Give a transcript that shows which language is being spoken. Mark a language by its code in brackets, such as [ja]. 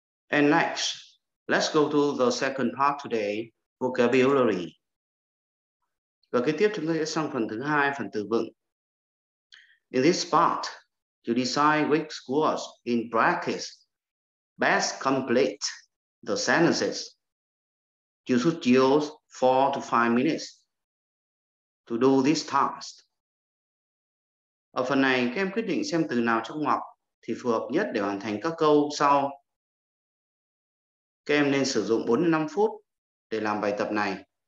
[en] And next, let's go to the second part today, vocabulary. [vi] Và kế tiếp chúng ta sẽ sang phần thứ hai, phần từ vựng. [en] In this part, you decide which words in brackets best complete the sentences. You should use 4 to 5 minutes to do this task. [vi] Ở phần này, các em quyết định xem từ nào trong ngoặc thì phù hợp nhất để hoàn thành các câu sau. Các em nên sử dụng 4-5 phút để làm bài tập này.